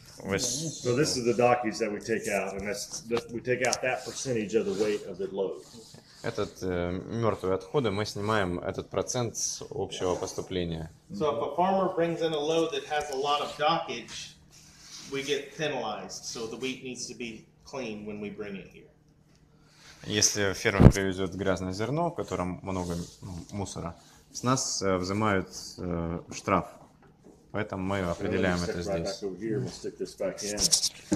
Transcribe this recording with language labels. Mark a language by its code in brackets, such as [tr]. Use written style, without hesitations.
[en] So this is the dockies that we take out, and that's we take out that percentage of the weight of the load. [ru] Этот мертвые отходы мы снимаем этот процент с общего поступления. [en] So if a farmer brings in a load that has a lot of dockage, we get penalized. So the wheat needs to be clean when we bring it here. [ru] Если фермер привезет грязное зерно, в котором много мусора, с нас взимают штраф. Поэтому мы определяем это здесь.